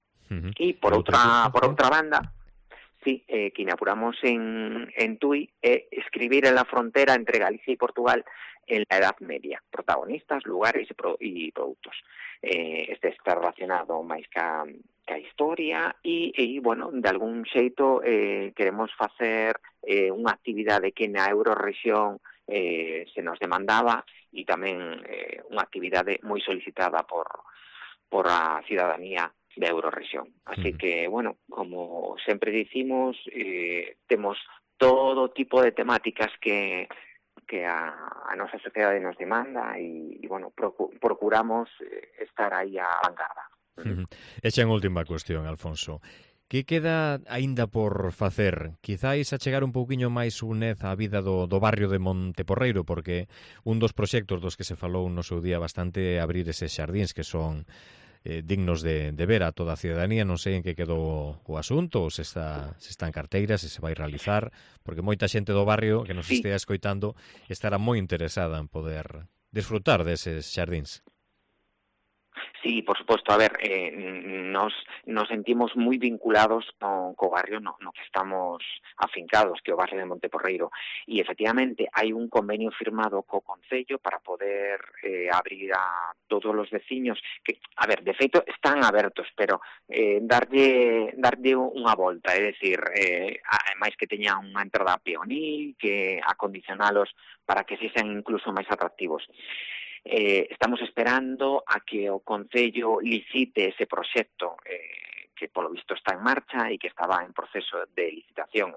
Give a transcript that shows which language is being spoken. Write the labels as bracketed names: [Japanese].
[Galician] Uh-huh. E por outra banda, sí, que inauguramos en TUI, escribir en la frontera entre Galicia e Portugal en la Edad Media, protagonistas, lugares y productos. Este está relacionado máis que a historia e, bueno, de algún xeito queremos facer unha actividade que na Euroregión se nos demandaba e tamén unha actividade moi solicitada por a cidadanía da Euroregión. Así que, bueno, como sempre dicimos, temos todo tipo de temáticas que a nosa sociedade nos demanda e bueno, procuramos estar aí á vanguarda. Echa en última cuestión, Alfonso. Que queda aínda por facer? Quizáis a chegar un pouquiño máis UNED á vida do barrio de Monteporreiro, porque un dos proxectos dos que se falou no seu día bastante é abrir eses xardíns que son dignos de ver a toda a cidadanía. Non sei en que quedou o asunto, ou se está en carteira, se vai realizar, porque moita xente do barrio que nos estea escoitando estará moi interesada en poder disfrutar deses xardíns. [Spanish] Sí, por supuesto. A ver, nos sentimos muy vinculados con barrio, [Galician] no que estamos afincados, que o barrio de Monteporreiro. [Spanish] Y efectivamente hay un convenio firmado co concello para poder abrir a todos los veciños. [Galician] Que, a ver, de feito están abertos, pero darlle unha volta, es decir, además que teña unha entrada peonil, que acondicionalos para que se sean incluso máis atractivos. Estamos esperando a que o concello licite ese proxecto que polo visto está en marcha e que estaba en proceso de licitación.